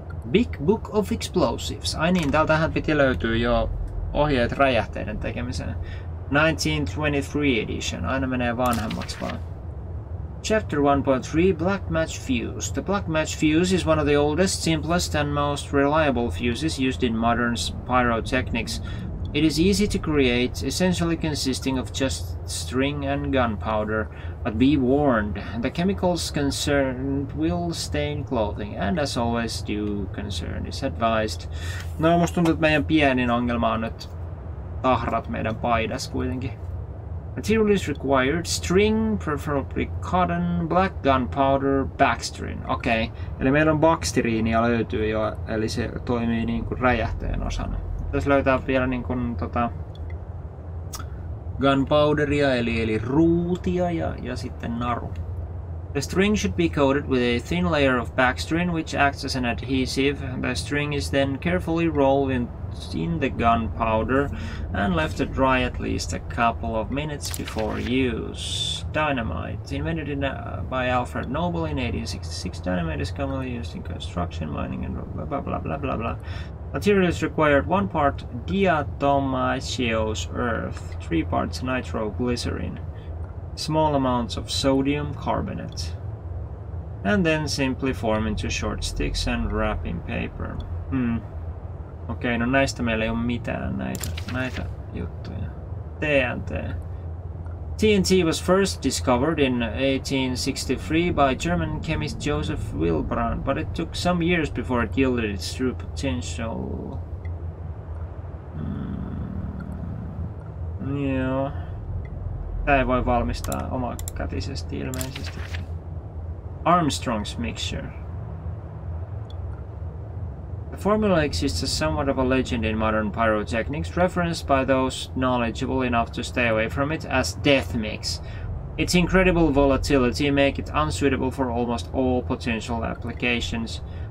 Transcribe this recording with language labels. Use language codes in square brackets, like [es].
[en] Big Book of Explosives. [fi] Ai niin, täältähän piti löytyä jo ohjeet räjähteiden tekemiseen. 1923 edition. Aina menee vanhemmaksi vaan. [en] Chapter 1.3 Black Match Fuse. The Black Match Fuse is one of the oldest, simplest and most reliable fuses used in modern pyrotechnics. It is easy to create, essentially consisting of just string and gunpowder. But be warned, the chemicals concerned will stain clothing, and as always, due concern is advised. [fi] No, musta tuntuu, että meidän pienin ongelma on nyt tahrat meidän paidas kuitenkin. [en] Material is required, string, preferably cotton, black gunpowder, backstrin. Okei, okay. [fi] Eli meillä on backstriinia löytyy jo, eli se toimii niin kuin räjähteen osana. Tässä löytää vielä niin kuin, gunpowderia, eli ruutia ja sitten naru. [en] The string should be coated with a thin layer of backstrin, which acts as an adhesive. The string is then carefully rolled in the gunpowder and left to dry at least a couple of minutes before use. Dynamite. Invented by Alfred Nobel in 1866, dynamite is commonly used in construction, mining and blah blah blah blah blah blah. Materials required one part diatomaceous earth, three parts nitroglycerin, small amounts of sodium carbonate, and then simply form into short sticks and wrap in paper. [fi] Okei, no näistä meillä ei ole mitään näitä juttuja. [en] TNT. TNT was first discovered in 1863 by German chemist Joseph Willebrand, but it took some years before it yielded its true potential. [fi] Joo. Tää ei voi valmistaa omakätisesti ilmeisesti. [en] Armstrong's mixture. The formula exists as somewhat of a legend in modern pyrotechnics, referenced by those knowledgeable enough to stay away from it as death mix. Its incredible volatility make it unsuitable for almost all potential applications.